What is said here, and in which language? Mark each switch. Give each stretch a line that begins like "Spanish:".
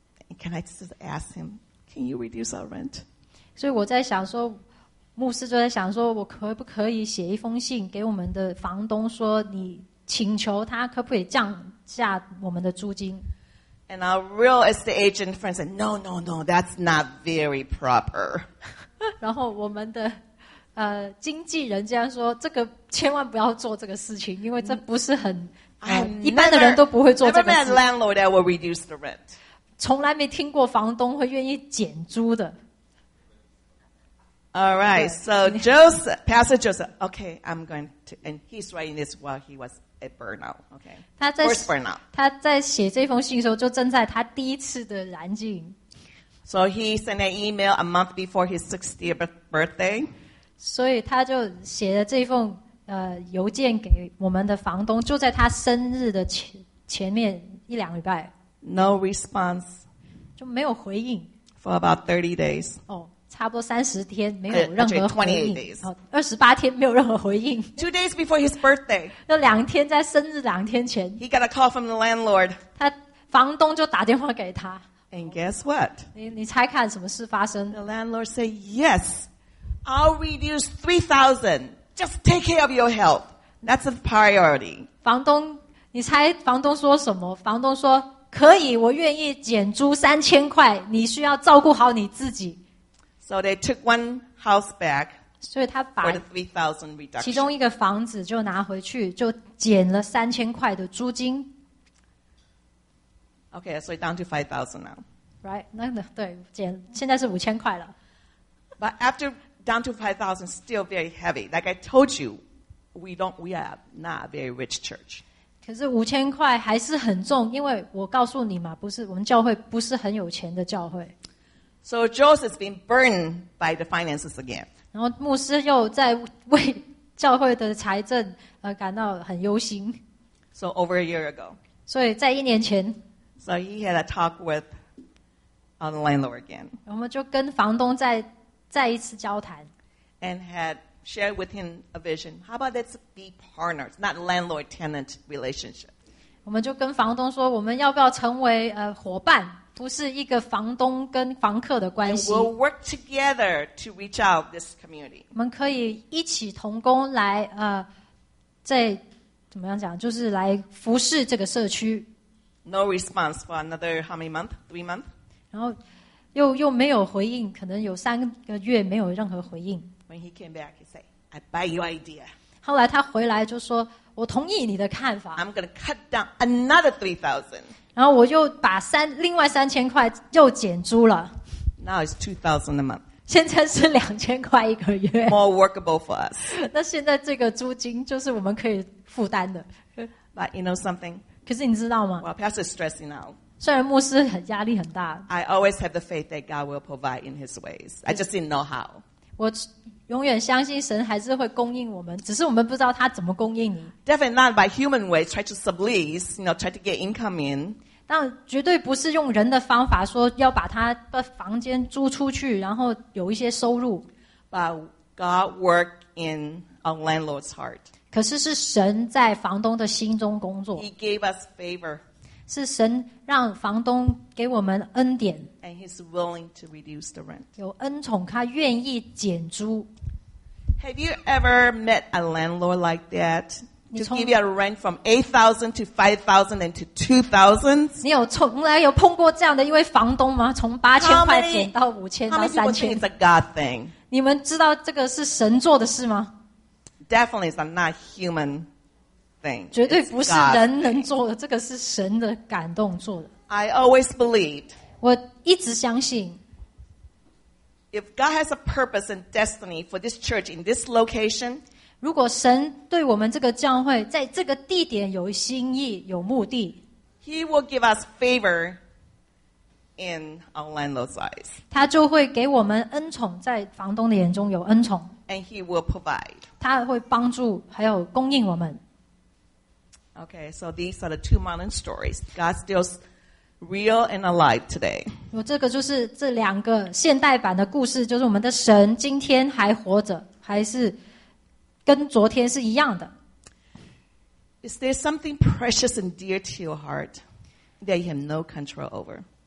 English: And can I just ask him, can you reduce our rent?"
Chinese: 所以我在想说。牧师就在想说我可不可以写一封信给我们的房东说你请求他可不可以降价我们的租金
English: And our real estate agent friend said No, no, no, that's not very proper
Chinese: 然后我们的经纪人竟然说这个千万不要做这个事情因为这不是很一般的人都不会做这个事
English: I've never met a landlord that will reduce the rent
Chinese: 从来没听过房东会愿意减租的
English: All right, so Joseph, Pastor Joseph, okay, I'm going to, and he's writing this while he was at burnout, okay, first burnout.
Chinese: 他在写这封信的时候就正在他第一次的燃尽。
English: So he sent an email a month before his 60th birthday.
Chinese: 所以他就写了这封邮件给我们的房东就在他生日的前面一两礼拜。
English: No response.
Chinese: 就没有回应。
English: For about 30 days.
Chinese: 差不多三十天没有任何回应，二十八天没有任何回应。
English: Two days before his birthday，
Chinese: 那两天在生日两天前
English: ，he got a call from the landlord。
Chinese: 他房东就打电话给他。
English: And guess what？
Chinese: 你猜看什么事发生
English: ？The landlord say yes， I'll reduce $3,000. Just take care of your health. That's a priority。
Chinese: 房东，你猜房东说什么？房东说可以，我愿意减租$3,000。你需要照顾好你自己。
English: So they took one house back.
Chinese: 所以他把
English: for the 3,000 reduction.
Chinese: 其中一个房子就拿回去，就减了$3,000的租金。
English: Okay, so down to 5,000 now. Right?
Chinese: 那对，减现在是$5,000了。
English: But after down to 5,000, still very heavy. Like I told you, we are not a very rich church.
Chinese: 可是五千块还是很重，因为我告诉你嘛，不是我们教会不是很有钱的教会。
English: So Joseph's been burned by the finances again.
Chinese: 然后牧师又在为教会的财政感到很忧心。
English: So over a year ago.
Chinese: 所以在一年前。
English: So he had a talk with the landlord again.
Chinese: 我们就跟房东再一次交谈。
English: And had shared with him a vision. How about let's be partners, not landlord-tenant relationship.
Chinese: 我们就跟房东说，我们要不要成为伙伴？不是一个房东跟房客的关系。
English: We'll work together to reach out this community.
Chinese: 我们可以一起同工来在怎么样讲，就是来服侍这个社区。
English: No response for another how many month? Three month?
Chinese: 然后又没有回应，可能有三个月没有任何回应。
English: When he came back, he said, "I buy your idea."
Chinese: 后来他回来就说，我同意你的看法。
English: I'm going to cut down another 3,000.
Chinese: 然后我又把另外$3,000又减租了。
English: Now it's 2,000 a month.
Chinese: 现在是$2,000一个月。
English: More workable for us.
Chinese: 那现在这个租金就是我们可以负担的。
English: But you know something?
Chinese: 可是你知道吗？
English: Well, Pastor's stressing out.
Chinese: 虽然牧师很压力很大。
English: I always have the faith that God will provide in His ways. I just didn't know how.
Chinese: 我永远相信神还是会供应我们，只是我们不知道他怎么供应你。
English: Definitely not by human ways, try to sublease, you know, try to get income in.
Chinese: 但绝对不是用人的方法说要把他的房间租出去，然后有一些收入。
English: But God worked in a landlord's heart.
Chinese: 可是是神在房东的心中工作。
English: He gave us favor.
Chinese: 是神让房东给我们恩典。
English: And he's willing to reduce the rent.
Chinese: 有恩宠，他愿意减租。
English: Have you ever met a landlord like that? To give you a rent from 8,000 to 5,000 and to 2,000?
Chinese: 你有从来有碰过这样的一位房东吗？从八千块减到五千到三千。
English: It's a God thing.
Chinese: 你们知道这个是神做的事吗？
English: Definitely, it's not human. thing.
Chinese: 绝对不是人能做的，这个是神的感动做的。
English: I always believed.
Chinese: 我一直相信。
English: If God has a purpose and destiny for this church in this location,
Chinese: 如果神对我们这个教会在这个地点有心意、有目的，
English: He will give us favor in our landlord's eyes.
Chinese: 他就会给我们恩宠，在房东的眼中有恩宠。
English: And He will provide.
Chinese: 他会帮助还有供应我们。
English: Okay, so these are the two modern stories. God still. Real and alive today.
Chinese: 我这个就是这两个现代版的故事，就是我们的神今天还活着，还是跟昨天是一样的。
English: Is there something precious and dear to your heart that you have no control over?